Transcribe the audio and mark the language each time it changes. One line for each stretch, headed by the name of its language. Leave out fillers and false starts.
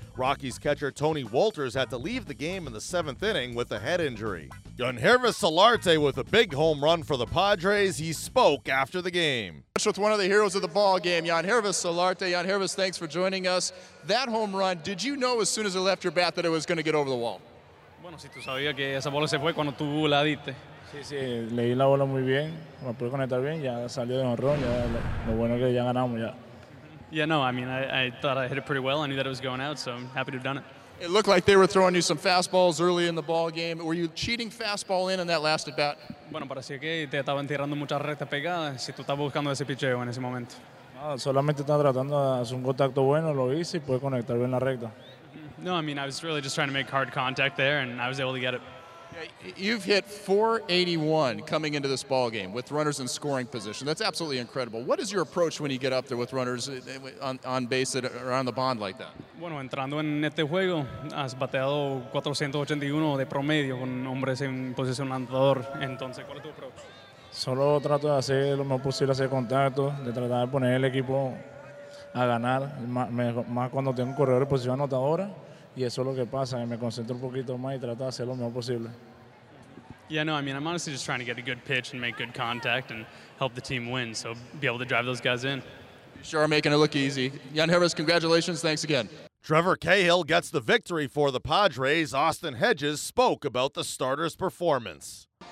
English: Rockies catcher Tony Walters had to leave the game in the 7th inning with a head injury. Yangervis Solarte with a big home run for the Padres. He spoke after the game. With one of the heroes of the ball game, Yangervis Solarte. Yangervis, thanks for joining us. That home run, did you know as soon as it left your bat that it was going to get over the wall?
Spanish: Bueno, si tú sabías que esa bola se fue cuando tú la diste. Sí, leí la bola muy bien, me pude conectar bien, ya salió de honrón, ya lo bueno que ya ganamos ya.
English: Yeah, no, I mean, I thought I hit it pretty well. I knew that it was going out, so I'm happy to have done it. It looked like they were throwing you some fastballs early in the ball game. Were you cheating fastball in that last at bat?
Spanish: Bueno, parecía que te estaban tirando mucha recta pegada, si tú estabas buscando ese picheo en ese momento. No, solamente estaba tratando de hacer un contacto bueno, lo hice y pude conectar bien la recta.
English: No, I mean, I was really just trying to make hard contact there, and I was able to get it. You've hit .481 coming into this ball game with runners in scoring position. That's absolutely incredible. What is your approach when you get up there with runners on base or on the bond like that?
Spanish: Bueno, entrando en este juego, has bateado 481 de promedio con hombres en posición lanzador. Entonces, ¿cuál es tu approach? Solo trato de hacer lo más posible, hacer contacto, de tratar de poner el equipo a ganar, más cuando tengo un corredor en posición anotadora. Y eso es lo que pasa, me concentro un poquito más y trato de hacer lo mejor posible.
English: Yeah, no, I mean, I'm honestly just trying to get a good pitch and make good contact and help the team win, so be able to drive those guys in. You sure are making it look easy. Yangervis, congratulations, thanks again. Trevor Cahill gets the victory for the Padres. Austin Hedges spoke about the starter's performance.